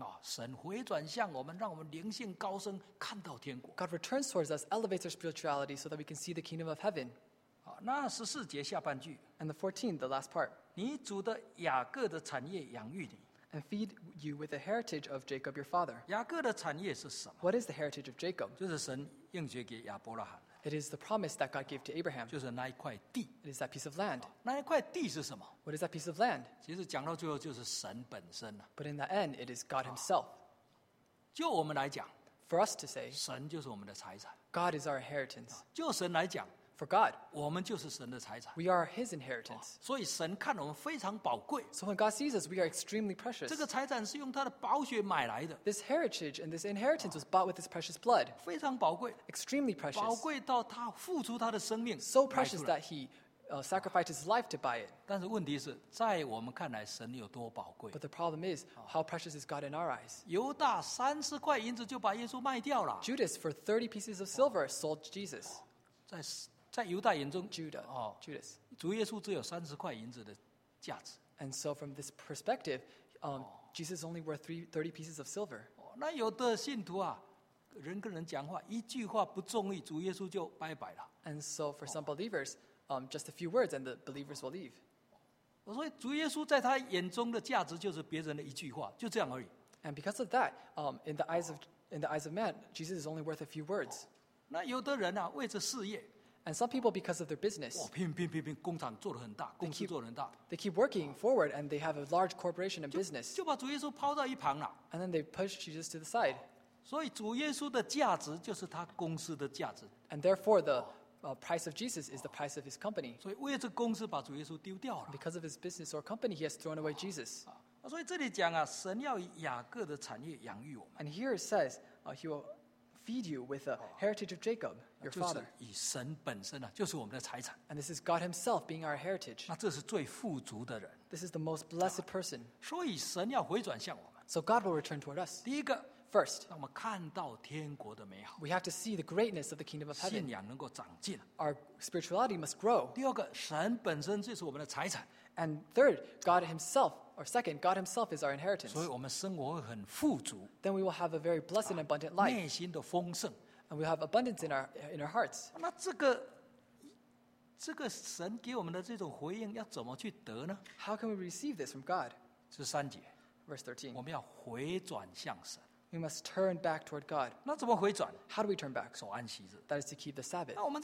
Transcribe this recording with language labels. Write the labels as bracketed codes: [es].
[zh] 神回转向我们，让我们灵性高升，看到天国。 [en] God returns towards us, elevates our spirituality so that we can see the kingdom of heaven. [zh] 那14节下半句。 [en] And the 14, the last part. [zh] 你主的雅各的产业养育你。 [en] And feed you with the heritage of Jacob your father. [zh] 雅各的产业是什么？ [en] What is the heritage of Jacob? [zh] 就是神应许给亚伯拉罕。 [en] It is the promise that God gave to Abraham. [zh] 就是那一块地。 [en] It is that piece of land. [zh] 那一块地是什么？ [en] What is that piece of land? [zh] 其实讲到最后就是神本身。 [en] But in the end, it is God himself. [zh] 就我们来讲， [en] For us to say, [zh] 神就是我们的财产。 [en] God is our inheritance. [zh] 就神来讲， [en] For God, [zh] 我们就是神的财产。 [en] We are his inheritance. [zh] 所以神看我们非常宝贵。 [en] So when God sees us, we are extremely precious. [zh] 这个财产是用他的宝血买来的。 [en] This heritage and this inheritance was bought with his precious blood. [zh] 非常宝贵。 [en] Extremely precious. [zh] 宝贵到他付出他的生命。 [en] So precious that he sacrificed his life to buy it. [zh] 但是问题是，在我们看来，神有多宝贵。 [en] But the problem is, how precious is God in our eyes? [zh] 犹大30块银子就把耶稣卖掉了。 [en] Judas, for 30 pieces of silver, sold Jesus. [zh] 在犹大眼中， [en] Judas, [zh] 主耶稣只有30块银子的价值。 [en] And so from this perspective, Jesus only worth 30 pieces of silver. [zh] 那有的信徒啊，人跟人讲话，一句话不中意，主耶稣就拜拜了。 [en] And so for some believers, just a few words and the believers will leave. [zh] 所以主耶稣在他眼中的价值就是别人的一句话，就这样而已。 [en] And because of that, in the eyes of man, Jesus is only worth a few words. [zh] 那有的人啊, 为着事业, [en] and some people, because of their business, [zh] 哇,拼,拼,拼, 工厂做得很大, [en] they keep working forward and they have a large corporation and business. [zh] 就把主耶稣抛到一旁了, [en] and then they push Jesus to the side. [zh] 所以主耶稣的价值就是他公司的价值, [en] and therefore, the price of Jesus is the price of his company. [zh] 所以为这公司把主耶稣丢掉了, [en] because of his business or company, he has thrown away Jesus. [zh] 所以这里讲啊, 神要以雅各的产业养育我们, [en] and here it says, he will feed you with the heritage of Jacob, your father. [zh] 就是以神本身啊, 就是我们的财产, [en] and this is God himself being our heritage. [zh] 那这是最富足的人, [en] this is the most blessed person. [zh] 所以神要回转向我们, [en] so God will return toward us. [zh] 第一个, [en] first, [zh] 让我们看到天国的美好, [en] we have to see the greatness of the kingdom of heaven. [zh] 信仰能够长进, [en] our spirituality must grow. [zh] 第二个, 神本身就是我们的财产, [en] and third, God himself, or second, God himself is our inheritance. [zh] 所以我们生活很富足, [en] then we will have a very blessed and abundant life. [zh] 内心的丰盛, [en] and we have abundance in our hearts. [zh] 那这个神给我们的这种回应要怎么去得呢? [en] How can we receive this from God? [zh] 是三节, [en] verse 13. [zh] 我们要回转向神, [en] we must turn back toward God. [zh] 那怎么回转? [en] How do we turn back? [zh] 守安息日, [en] that is to keep the Sabbath.